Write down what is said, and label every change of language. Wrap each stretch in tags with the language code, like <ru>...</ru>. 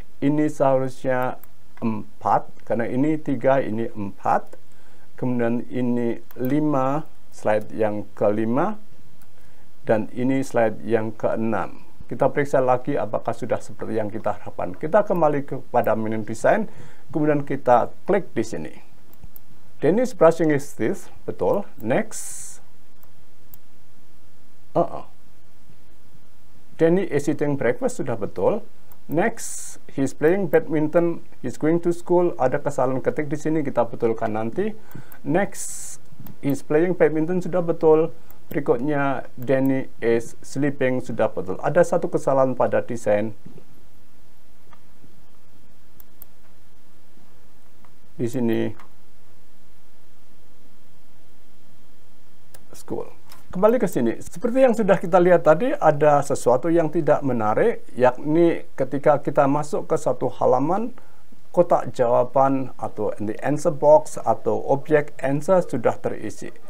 <id>Ini seharusnya 4, karena ini 3, ini 4, kemudian ini 5, slide yang kelima, dan ini slide yang keenam. Kita periksa lagi apakah sudah seperti yang kita harapkan. Kita kembali kepada menu design, kemudian kita klik di sini.</id> <en>Dennis brushing his teeth,</en> <id>betul.</id> <en>Next. Danny is eating breakfast,</en> <id>sudah betul.</id> <en>Next, he's playing badminton, he's going to school.</en> <id>Ada kesalahan ketik di sini, kita betulkan nanti.</id> <en>Next, he's playing badminton,</en> <id>sudah betul. Berikutnya,</id> <en>Danny is sleeping,</en> <id>sudah betul. Ada satu kesalahan pada desain. Di sini. School. Kembali ke sini, seperti yang sudah kita lihat tadi, ada sesuatu yang tidak menarik, yakni ketika kita masuk ke satu halaman, kotak jawaban atau</id> <en>the answer box</en> <id>atau objek answer sudah terisi.</id>